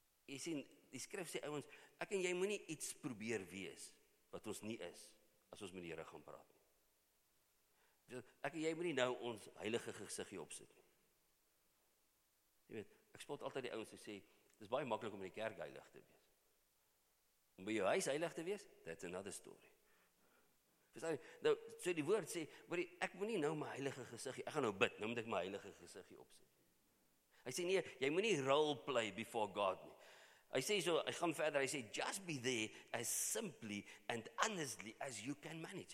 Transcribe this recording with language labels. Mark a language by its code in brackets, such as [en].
[af] Jy sien, die skrif sê, ouwens, ek en jy moet nie iets probeer wees, wat ons nie is, as ons met die Here gaan praat. Ek en jy moet nie nou ons heilige gezigje opsit. Jy weet, ek spot altyd die ouwens, die sê, dit is baie makkelijk om in die kerk heilig te wees. Om by jou huis heilig te wees, [en] that's another story. [af] Verstaan jy? Nou, so die woord sê, ek moet nie nou my heilige gezigje, ek gaan nou bid, nou moet ek my heilige gezigje opsit. Hy sê, nee, jy moet nie [en] role play before God [af] nie. Hy sê so, hy gaan verder, hy sê, [en] just be there as simply and honestly as you can manage.